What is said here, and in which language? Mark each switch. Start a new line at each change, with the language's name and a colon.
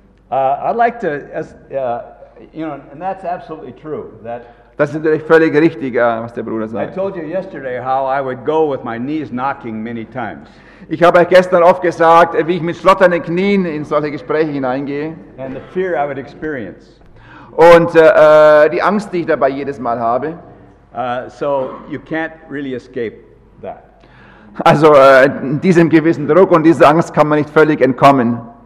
English: I'd like to, you know, and that's absolutely true. That.
German: Das ist natürlich völlig richtig, was der Bruder sagt.
English: I told you yesterday how I would go with my knees knocking many times.
German: Ich habe gestern oft gesagt, wie ich mit schlotternden Knien in solche Gespräche hineingehe.
English: And the fear I would experience.
German: Und die Angst, die ich dabei jedes Mal habe.
English: So you can't really escape that.
German: Also diesem gewissen Druck und dieser Angst kann man nicht völlig entkommen.